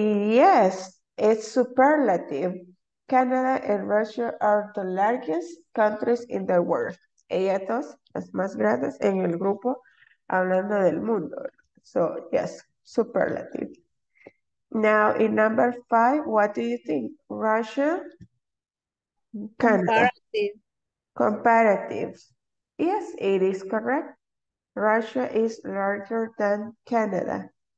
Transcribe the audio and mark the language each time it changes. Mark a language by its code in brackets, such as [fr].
[en] Yes, it's superlative. Canada and Russia are the largest countries in the world. [es] Ellas dos, las más grandes en el grupo, hablando del mundo. [en] So, yes, superlative. Now, in number five, what do you think? Russia? Canada. Comparative. Yes, it is correct. Russia is larger than Canada.